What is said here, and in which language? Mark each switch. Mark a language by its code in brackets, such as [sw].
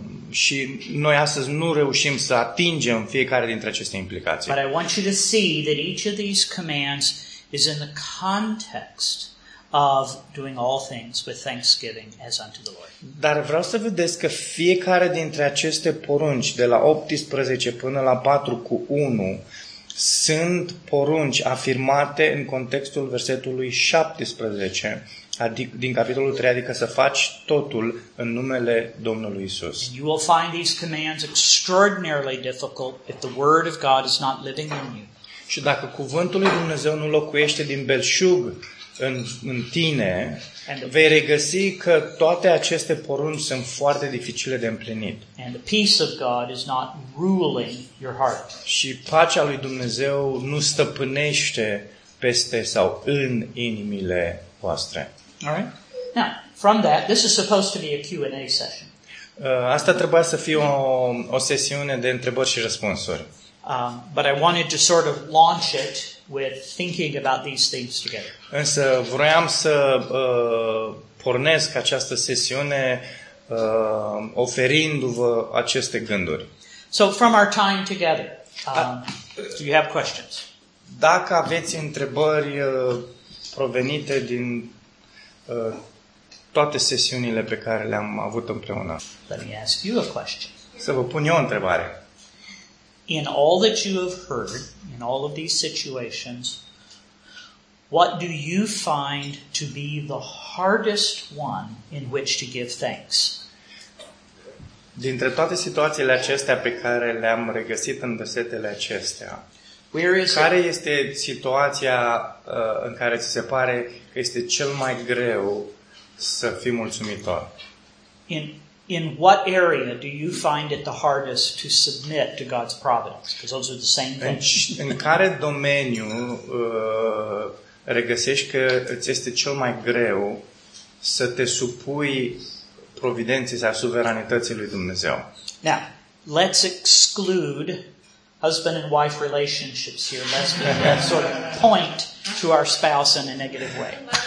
[ro] Și noi astăzi nu reușim să atingem fiecare dintre aceste implicații. [en] But I want you to see that each of these commands is in the context of doing all things with thanksgiving as unto the Lord. [ro] Dar vreau să vedeți că fiecare dintre aceste porunci de la 18 până la 4 cu 1 sunt porunci afirmate în contextul versetului 17. Adică din capitolul 3, adică să faci totul în numele Domnului Isus. [en] You will find these commands extraordinarily difficult if the word of God is not living in you. [ro] Și dacă cuvântul lui Dumnezeu nu locuiește din belșug în tine, vei regăsi că toate aceste porunci sunt foarte dificile de împlinit. [en] And the peace of God is not ruling your heart. [ro] Și pacea lui Dumnezeu nu stăpânește peste sau în inimile voastre. [en] All right? Now, from that, this is supposed to be a Q&A session. [ro] Asta trebuia să fie o sesiune de întrebări și răspunsuri. [en] But I wanted to sort of launch it with thinking about these things together. [ro] Însă vroiam să pornesc această sesiune oferindu-vă aceste gânduri. [en] So from our time together, do you have questions? [ro] Dacă aveți întrebări provenite din toate sesiunile pe care le-am avut împreună. [en] Let me ask you a question. [ro] Să vă pun eu o întrebare. [en] In all that you have heard, in all of these situations, what do you find to be the hardest one in which to give thanks? [ro] Dintre toate situațiile acestea pe care le-am regăsit în versetele acestea, care este situația în care ți se pare că este cel mai greu să fii mulțumitor? [en] In what area do you find it the hardest to submit to God's providence? Because those are the same things. [ro] În care domeniu regăsești că ți este cel mai greu să te supui providenței sau suveranității lui Dumnezeu? [en] Now, let's exclude husband and wife relationships here, lest we sort of point to our spouse in a negative way.